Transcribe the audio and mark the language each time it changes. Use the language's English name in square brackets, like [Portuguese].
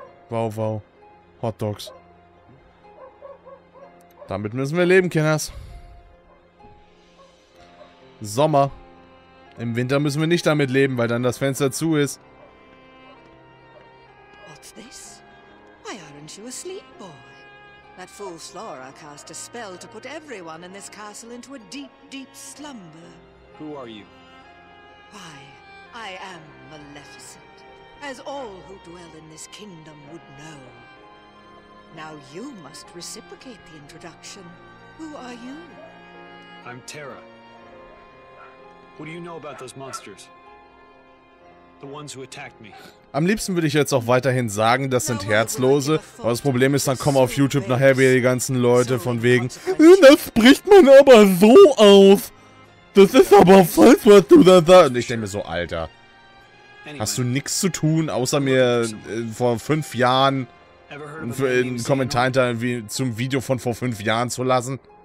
[English] Wow. Hot Dogs. [German] Damit müssen wir leben, Kenners. Sommer. Im Winter müssen wir nicht damit leben, weil dann das Fenster zu ist. [English] What's this? Why aren't you asleep, boy? That fool Flora cast a spell to put everyone in this castle into a deep, deep slumber. Who are you? Why, I am Maleficent, as all who dwell in this kingdom would know. Now you must reciprocate the introduction. Who are you? I'm Terra. What do you know about those monsters? The ones who attacked me. [German] Am liebsten würde ich jetzt auch weiterhin sagen, das sind Herzlose. Aber das Problem ist, dann kommen auf YouTube nachher wieder die ganzen Leute von wegen, das spricht man aber so aus. Das ist aber falsch, was du da sagst. Und ich denke mir so, Alter. Hast du nichts zu tun, außer mir vor 5 Jahren einen Kommentar zum Video von vor 5 Jahren zu lassen?